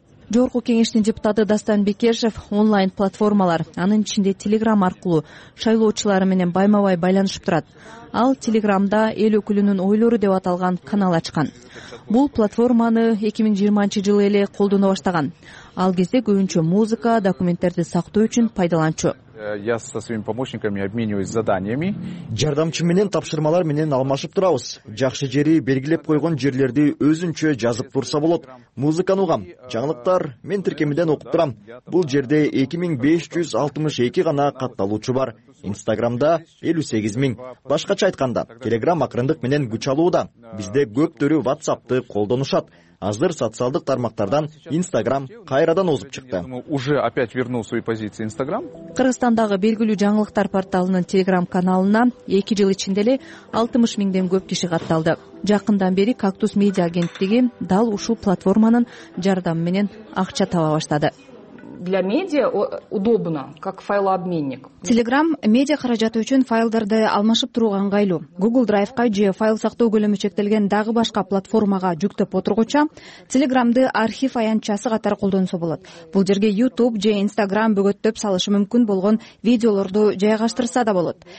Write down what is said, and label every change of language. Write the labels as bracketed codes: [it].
[ky] Жогорку кеңештин депутаты Дастан Бекешев онлайн платформалар, анын ичинде Телеграм аркылуу шайлоочулары менен байма-бай байланышып турат. Ал Телеграмда эл өкүлүнүн ойлору деп аталган канал ачкан. Бул платформаны 2020-жылы эле колдоно баштаган. Ал кезде көбүнчө музыка, документтерди сактоо үчүн пайдаланчу. [ru] Я со своими помощниками обмениваюсь заданиями. [ky] Жардамчым менен тапшырмалар менен алмашып турабыз. Жакшы жери белгилеп койгон жерлерди өзүнчө жазып турса болот. Музыканы угам, жаңылыктар мен тиркемеден окуп турам. Бул жерде 2562 гана катталуучу бар. Инстаграмда 58 000. Башкача айтканда, Телеграм акырындык менен күч алууда. Бизде көптөрү WhatsAppты колдонушат. Азыр социалдык тармактардан Инстаграм кайрадан озуп чыкты. [ru] Уже опять вернул свои позиции Инстаграм. [ky] Кыргызстандагы белгилүү жаңылыктар порталынын Телеграм каналына 2 жыл ичинде эле 60 000 көп киши катталды. Жакындан бери Кактус медиа агенттиги дал ушул платформанын жардамы менен акча таба баштады. [ru] для медиа удобно, как файлообменник. [ky] Телеграм медиа харажаты үчүн файлдарды алмашып турууга ыңгайлуу. Google Drive-ка же файл сактоо көлөмү чектелген дагы башка платформага жүктөп отургуча, Телеграмды архив аянтчасы катары колдонсо болот. Бул жерге YouTube же Instagram бөгөттөп салышы мүмкүн болгон видеолорду жайгаштырса да болот.